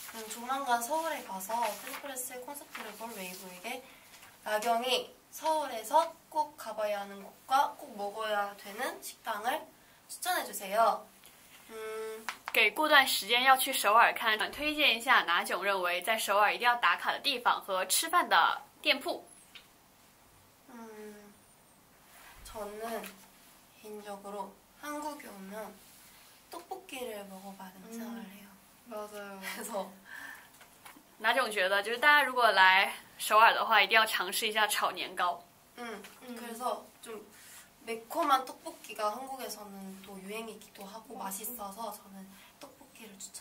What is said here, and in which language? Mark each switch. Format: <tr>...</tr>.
<ko>조만간 서울에 가서 트리플S의 콘서트를 볼 웨이브에게 나경이 서울에서 꼭 가봐야 하는 곳과 꼭 먹어야 되는 식당을 추천해 주세요.</ko> <zh>给过段时间要去首尔看，推荐一下哪炯认为在首尔一定要打卡的地方和吃饭的店铺。</zh> <ko>저는 개인적으로 한국에 오면 떡볶이를 먹어봐야 된다고 생각해요. 맞아요. 그래서</ko> <zh>哪炯觉得就是大家如果来首尔的话，一定要尝试一下炒年糕。</zh> <ko>그래서 좀 매콤한 떡볶이가 한국에서는 또 유행이기도 하고 맛있어서 저는 떡볶이를</ko>